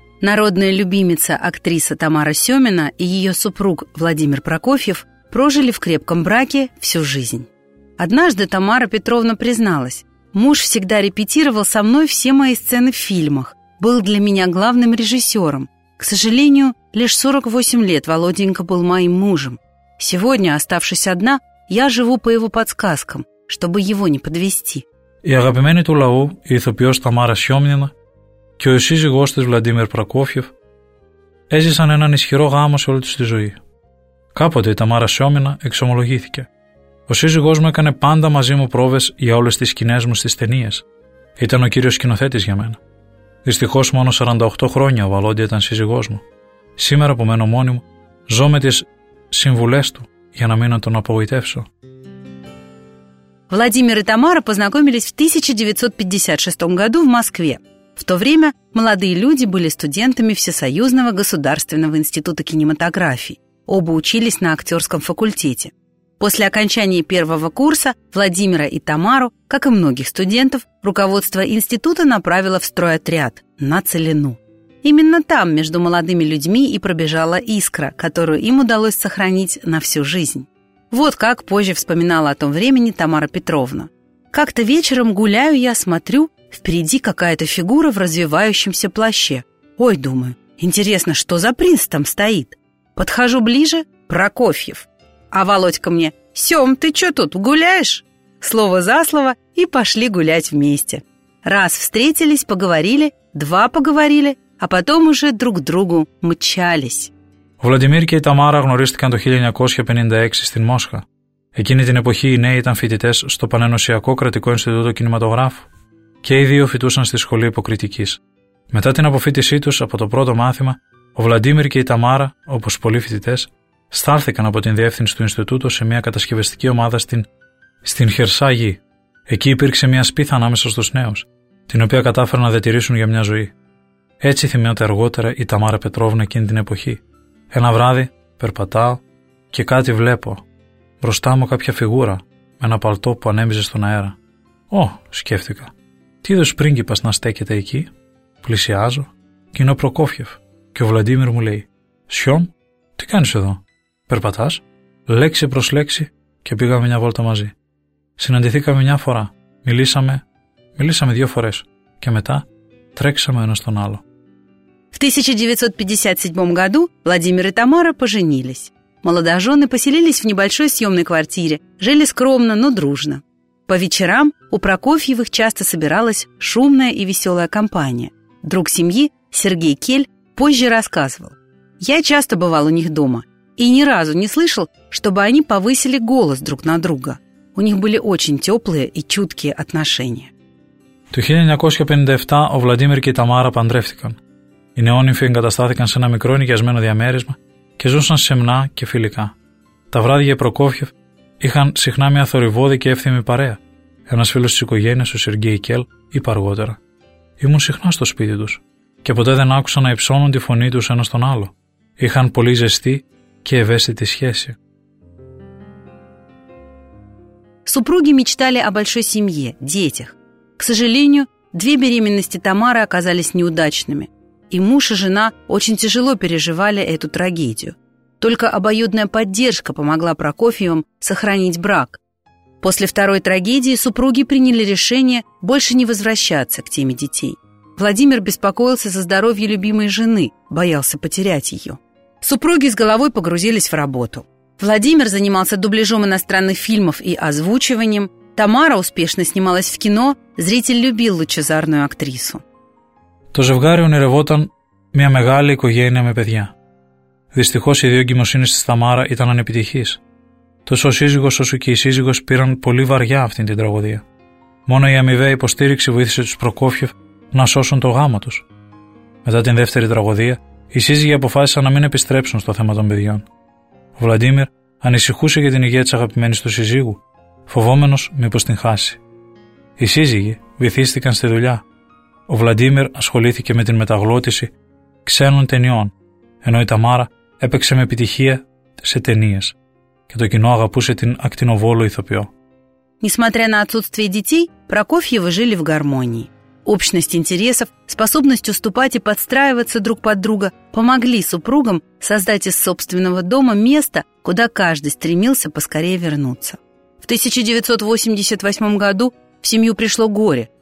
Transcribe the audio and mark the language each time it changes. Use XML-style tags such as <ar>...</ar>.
<ru>Народная любимица актриса Тамара Сёмина и её супруг Владимир Прокофьев прожили в крепком браке всю жизнь. Однажды Тамара Петровна призналась: «Муж всегда репетировал со мной все мои сцены в фильмах, был для меня главным режиссером. К сожалению, лишь 48 лет Володенька был моим мужем. Сегодня, оставшись одна, я живу по его подсказкам, чтобы его не подвести».</ru> <el>И агапемени ту лау, и ηθοποιός Тамара Сьомнина, και ο σύζυγός της Βλαντίμιρ Πρακόφιεφ έζησαν έναν ισχυρό γάμο σε όλη τους τη ζωή. Κάποτε η Ταμάρα Σιόμινα εξομολογήθηκε: «Ο σύζυγός μου έκανε πάντα μαζί μου πρόβες για όλες τις σκηνές μου στις ταινίες. Ήταν ο κύριος σκηνοθέτης για μένα. Δυστυχώς μόνο 48 χρόνια ο Βαλόντια ήταν σύζυγός μου. Σήμερα που μένω μόνη μου, ζω με τις συμβουλές του για να μην τον απογοητεύσω».</el> <ru>Владимир и Тамара познакомились в 1956 году в Москве. В то время молодые люди были студентами Всесоюзного государственного института кинематографии. Оба учились на актерском факультете. После окончания первого курса Владимира и Тамару, как и многих студентов, руководство института направило в стройотряд на целину. Именно там между молодыми людьми и пробежала искра, которую им удалось сохранить на всю жизнь. Вот как позже вспоминала о том времени Тамара Петровна: Как-то вечером гуляю я, смотрю, впереди какая-то фигура в развивающемся плаще. Ой, думаю, интересно, что за принц там стоит? Подхожу ближе — Прокофьев. А Володька мне: «Сём, ты чё тут, гуляешь?» Слово за слово, и пошли гулять вместе. Раз встретились, поговорили, два поговорили, а потом уже друг другу мчались. Владимир и Тамара</ru> <el>γνωρίστηκαν το 1956 στην Μόσχα. Εκείνη την εποχή οι νέοι ήταν φοιτητές στο Πανενωσιακό Κρατικό Ινστιτούτο Κινηματογράφου και οι δύο φοιτούσαν στη Σχολή Υποκριτικής. Μετά την αποφύτισή τους από το πρώτο μάθημα, ο Βλαντίμιρ και η Ταμάρα, όπως πολλοί φοιτητές, στάλθηκαν από την διεύθυνση του Ινστιτούτου σε μια κατασκευαστική ομάδα στην Χερσά Γη. Εκεί υπήρξε μια σπίθα ανάμεσα στους νέους, την οποία κατάφεραν να διατηρήσουν για μια ζωή. Έτσι θυμιόταν αργότερα η Ταμάρα Πετρόβνα εκείνη την εποχή. Ένα βράδυ περπατάω και κάτι βλέπω. Μπροστά μου κάποια φιγούρα με ένα παλτό που ανέμιζε στον αέρα. «Ω», σκέφτηκα, «τι είδος πρίγκιπας να στέκεται εκεί?» Πλησιάζω και είναι ο Προκόφιεφ. Και ο Βλαντίμιρ μου λέει: «Σιόμ, τι κάνεις εδώ? Περπατάς?» Λέξη προς λέξη και πήγαμε μια βόλτα μαζί. Συναντηθήκαμε μια φορά, μιλήσαμε δύο φορές και μετά τρέξαμε ένα στον άλλο.</el> <ru>В 1957 году Владимир и Тамара поженились. Молодожены поселились в небольшой съемной квартире, жили скромно, но дружно. По вечерам у Прокофьевых часто собиралась шумная и веселая компания. Друг семьи, Сергей Кель, позже рассказывал: «Я часто бывал у них дома и ни разу не слышал, чтобы они повысили голос друг на друга. У них были очень теплые и чуткие отношения».</ru> <el>Το 1957 ο Βλαντίμιρ και η Ταμάρα παντρεύτηκαν. Οι νεόνυμφοι εγκαταστάθηκαν σε ένα μικρό νοικιασμένο διαμέρισμα και ζούσαν σεμνά και φιλικά. Τα βράδια Προκόφιεφ είχαν συχνά μια θορυβώδη και εύθυμη παρέα. Ένας φίλος της οικογένειας, ο Σεργέη Κέλ, είπε αργότερα: «Ήμουν συχνά στο σπίτι τους και ποτέ δεν άκουσα να υψώνουν τη φωνή τους ένας τον άλλο. Είχαν πολύ ζεστή και ευαίσθητη σχέση».</el> <ru>Супруги мечтали о большой семье, детях. К сожалению, две беременности Тамары оказались неудачными, и муж и жена очень тяжело переживали эту трагедию. Только обоюдная поддержка помогла Прокофьевым сохранить брак. После второй трагедии супруги приняли решение больше не возвращаться к теме детей. Владимир беспокоился за здоровье любимой жены, боялся потерять ее. Супруги с головой погрузились в работу. Владимир занимался дубляжом иностранных фильмов и озвучиванием. Тамара успешно снималась в кино. Зритель любил лучезарную актрису.</ru> <el>Το ζευγάρι ονειρευόταν μια μεγάλη οικογένεια με παιδιά. Δυστυχώς οι δύο εγκυμοσύνες της Ταμάρα ήταν ανεπιτυχείς. Τόσο ο σύζυγος όσο και η σύζυγος πήραν πολύ βαριά αυτήν την τραγωδία. Μόνο η αμοιβαία υποστήριξη βοήθησε τους Προκόφιεφ να σώσουν το γάμο τους. Μετά την δεύτερη τραγωδία, οι σύζυγοι αποφάσισαν να μην επιστρέψουν στο θέμα των παιδιών. Ο Βλαντίμιρ ανησυχούσε για την υγεία της αγαπημένης του σύζυγου, φοβόμενος μήπως την χάσει. Οι σύζυγοι βυθίστηκαν στη δουλειά. Ο Βλαντίμιρ ασχολήθηκε με την μεταγλώτηση ξένων ταινιών, ενώ η Ταμάρα έπαιξε με επιτυχία σε ταινίες και το κοινό αγαπούσε την ακτινοβόλο ηθοποιό.</el> <ru>Несмотря на отсутствие детей, Прокофьевы жили в гармонии. Общность интересов, способность уступать и подстраиваться друг под друга помогли супругам создать из собственного дома место, куда каждый стремился поскорее вернуться. В 1988 году в семью пришло горе.</ru>